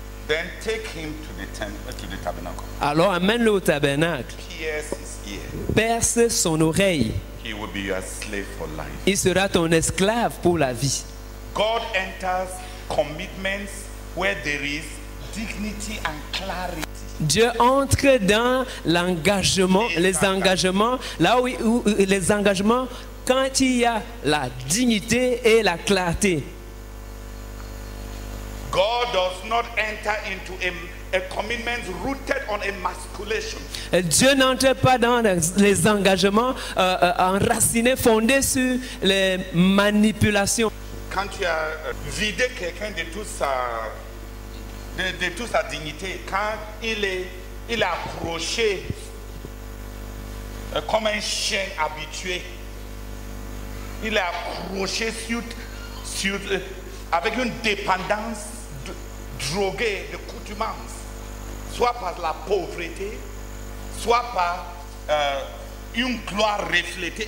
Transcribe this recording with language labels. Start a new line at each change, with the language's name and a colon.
English: Then take him to the temple, to the tabernacle.
French: Alors amène-le au tabernacle.
English: Pierce his ear.
French: Perce son oreille.
English: He will be your slave for life.
French: Il sera ton esclave pour la vie.
English: God enters commitments where there is dignity and clarity.
French: Dieu entre dans l'engagement, les engagements, là où, où les engagements, quand il y a la dignité et la clarté.
English: God does not enter into a commitment rooted on emasculation.
French: Dieu n'entre pas dans les engagements enracinés, fondés sur les manipulations. Quand tu as vidé quelqu'un de toute sa, de toute sa dignité, quand il est approché comme un chien habitué, il est accroché sur avec une dépendance droguée de coutumance, soit par la pauvreté, soit par une gloire reflétée.